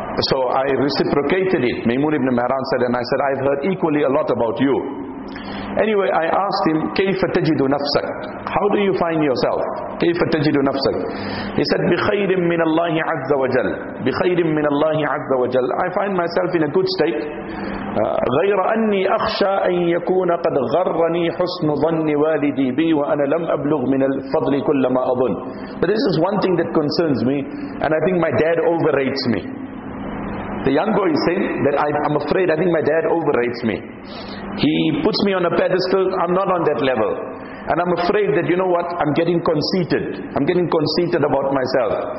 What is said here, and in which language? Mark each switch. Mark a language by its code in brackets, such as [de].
[en] So I reciprocated it. Maymoon ibn Mahran said, and I said, I've heard equally a lot about you. Anyway, I asked him, [ar] كيف تجد نفسك? [en] How do you find yourself? [ar] كيف تجد نفسك? [en] He said, [ar] بخير من الله عز وجل. بخير من الله عز وجل. [en] I find myself in a good state. [ar] غير أني أخشى أن يكون قد غرني حسن ظن والدي بي وأنا لم أبلغ من الفضل كل ما أظن. [en] But this is one thing that concerns me, and I think my dad overrates me. The young boy is saying that I'm afraid, I think my dad overrates me. He puts me on a pedestal, I'm not on that level. And I'm afraid that, you know what, I'm getting conceited about myself.